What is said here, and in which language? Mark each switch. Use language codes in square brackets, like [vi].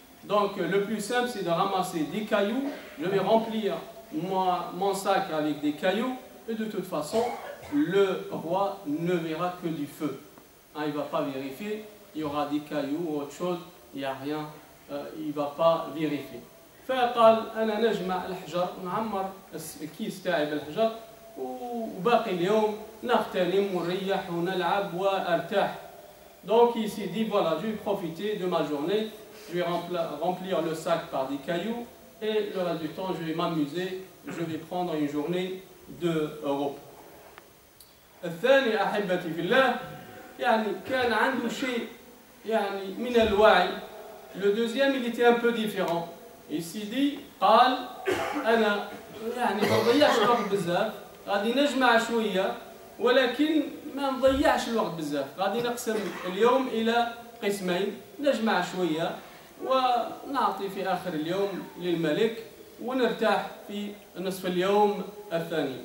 [fr] Donc le plus simple, c'est de ramasser des cailloux. Je vais remplir mon sac avec des cailloux. Et de toute façon, le roi ne verra que du feu. Hein, il ne va pas vérifier. Il y aura des cailloux ou autre chose. Il n'y a rien. Il ne va pas vérifier. [ar] فقال انا نجمع الحجر نعمر الكيس تاعي بالحجر وباقي اليوم نغتنم ونريح ونلعب وارتاح. [fr] Donc il s'est dit voilà, je vais profiter de ma journée, je vais remplir le sac par des cailloux et le reste du temps je vais m'amuser, je vais prendre une journée de repos. [ar] الثاني احبتي في الله يعني كان عنده شيء يعني من الوعي. [fr] Le deuxième il était un peu différent. Il s'est dit, [ar] قال انا يعني ما نضيعش الوقت بزاف غادي نجمع شويه ولكن ما نضيعش الوقت بزاف غادي نقسم اليوم الى قسمين نجمع شويه ونعطي في اخر اليوم للملك ونرتاح في نصف اليوم الثاني.